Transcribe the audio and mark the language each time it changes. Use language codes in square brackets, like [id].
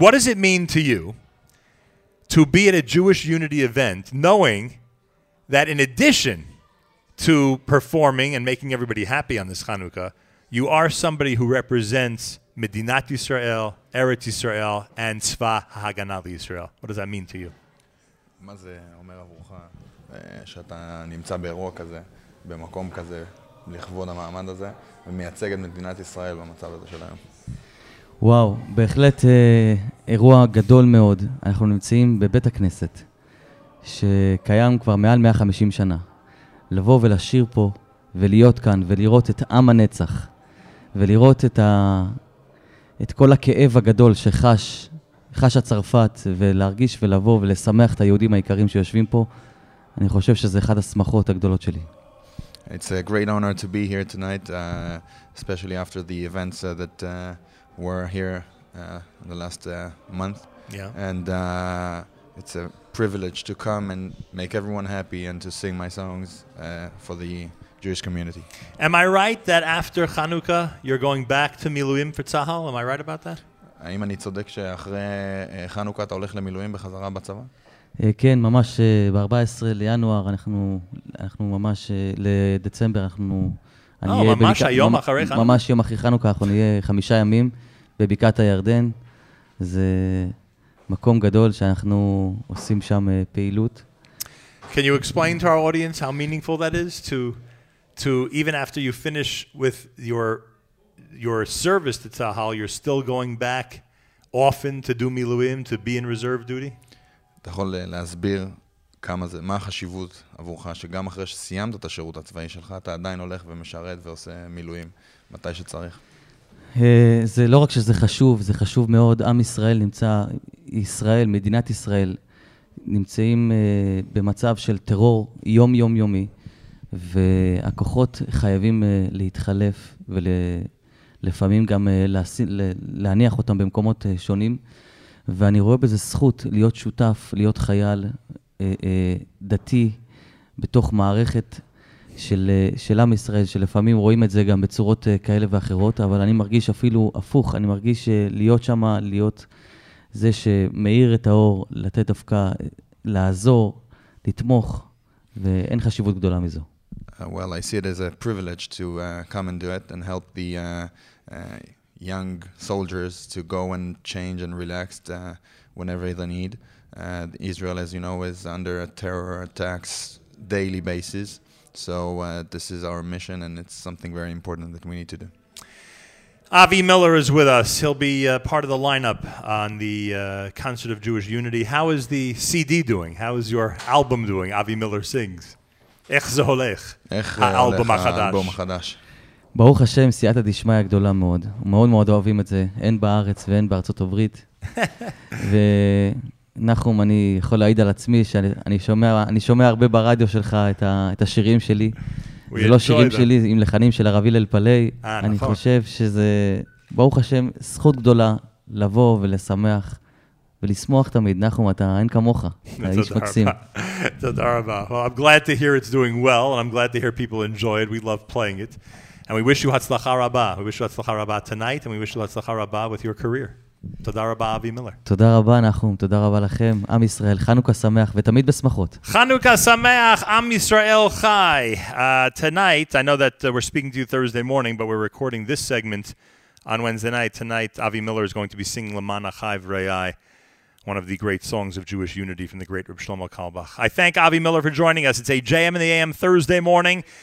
[en] What does it mean to you to be at a Jewish Unity event, knowing that in addition to performing and making everybody happy on this Chanukah, you are somebody who represents Medinat Yisrael, Eretz Yisrael, and Tzva HaHaganah Yisrael? What does that mean to you? [he] מה זה אומר עבורך שאתה נמצא באירוע כזה, במקום כזה, לכבוד המעמד הזה, ומייצג את מדינת ישראל במצב הזה של היום? וואו, בהחלט אירוע גדול מאוד. אנחנו נמצאים בבית הכנסת, שקיים כבר מעל 150 שנה. לבוא ולשיר פה, ולהיות כאן, ולראות את עם הנצח, ולראות את ה... את כל הכאב הגדול שחש הצרפת, ולהרגיש ולבוא ולשמח את היהודים העיקרים שיושבים פה, אני חושב שזה אחד השמחות הגדולות שלי. [en] It's a great honor to be here tonight, especially after the events that were here in the last month. Yeah. And it's a privilege to come and make everyone happy and to sing my songs for the Jewish community. Am I right that after Chanukah you're going back to Miluim for Tzahal? Am I right about that? [he] האם אני צודק שאחרי חנוכה אתה הולך למילואים בחזרה בצבא? כן, ממש ב-14 לינואר אנחנו ממש לדצמבר אנחנו... ממש היום אחרי חנוכה? ממש יום אחרי חנוכה, אנחנו נהיה 5 ימים בבקעת הירדן. זה מקום גדול שאנחנו עושים שם פעילות. [en] Can you explain to our audience how meaningful that is to even after you finish with your service to Tzahal, you're still going back often to do miluim, to be in reserve duty? [he] אתה יכול להסביר כמה זה, מה החשיבות עבורך, שגם אחרי שסיימת את השירות הצבאי שלך, אתה עדיין הולך ומשרת ועושה מילואים מתי שצריך? זה לא רק שזה חשוב, זה חשוב מאוד. עם ישראל נמצא, ישראל, מדינת ישראל, נמצאים במצב של טרור יומיומי, והכוחות חייבים להתחלף ולפעמים גם להניח אותם במקומות שונים. ואני רואה בזה זכות להיות שותף, להיות חייל דתי בתוך מערכת של עם ישראל, שלפעמים רואים את זה גם בצורות כאלה ואחרות, אבל אני מרגיש אפילו הפוך, אני מרגיש להיות שם, להיות זה שמאיר את האור, לתת דווקא, לעזור, לתמוך, ואין חשיבות גדולה מזו. [en] Well, I see it as a privilege to come and do it and help the young soldiers to go and change and relax whenever they need. Israel, as you know, is under a terror attacks daily basis. So this is our mission, and it's something very important that we need to do. Avi Miller is with us. He'll be part of the lineup on the Concert of Jewish Unity. How is the CD doing? How is your album doing? Avi Miller sings. [he] איך זה הולך? איך הולך האלבום החדש? ברוך השם, סייעתא דשמיא גדולה מאוד. מאוד מאוד אוהבים את זה. אין בארץ ואין בארצות הברית. ונחום, אני יכול להעיד על עצמי שאני שומע הרבה ברדיו שלך את השירים שלי. זה לא שירים שלי, עם לחנים של הרבי ללפלי. אני חושב שזה, ברוך השם, זכות גדולה לבוא ולשמח ולשמוח תמיד. נחום, אתה אין כמוך. אתה איש מקסים. תודה רבה. [en] Well, I'm glad to hear it's doing well, and I'm glad to hear people enjoy it. We love playing it. And we wish you hatzlacha rabah. We wish you hatzlacha rabah tonight, and we wish you hatzlacha rabah with your career. [he] תודה רבה, אבי מילר. תודה רבה, נחום. תודה רבה לכם. עם ישראל, חנוכה שמח, ותמיד בשמחות. חנוכה שמח, עם ישראל חי. [en] Tonight, I know that we're speaking to you Thursday morning, but we're recording this segment on Wednesday night. Tonight, Avi Miller is going to be singing Lamana Chai V'Rei'ai, one of the great songs of Jewish unity from the great Reb Shlomo Kalbach. I thank Avi Miller for joining us. It's a JM in the AM Thursday morning.